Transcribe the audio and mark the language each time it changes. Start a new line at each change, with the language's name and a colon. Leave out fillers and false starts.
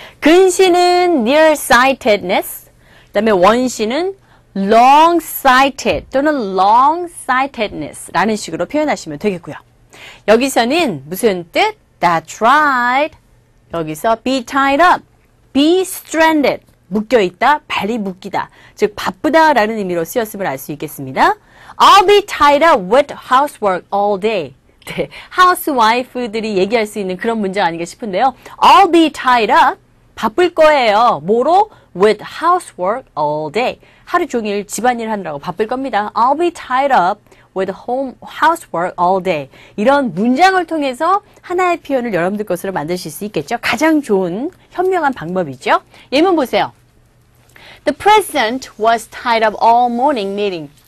Korean: 근시는 near-sightedness. 그 다음에 원시는 long-sighted 또는 long-sightedness 라는 식으로 표현하시면 되겠고요. 여기서는 무슨 뜻?
English: That's right.
Korean: 여기서 be tied up.
English: Be stranded.
Korean: 묶여있다. 발이 묶이다. 즉 바쁘다라는 의미로 쓰였음을 알 수 있겠습니다.
English: I'll be tied up with housework all day.
Korean: 네, housewife들이 얘기할 수 있는 그런 문장 아닌가 싶은데요.
English: I'll be tied up.
Korean: 바쁠 거예요. 뭐로?
English: With housework all day.
Korean: 하루 종일 집안일 하느라고 바쁠 겁니다.
English: I'll be tied up. With home housework all day.
Korean: 이런 문장을 통해서 하나의 표현을 여러분들 것으로 만드실 수 있겠죠. 가장 좋은 현명한 방법이죠. 예문 보세요.
English: The president was tied up all morning meeting.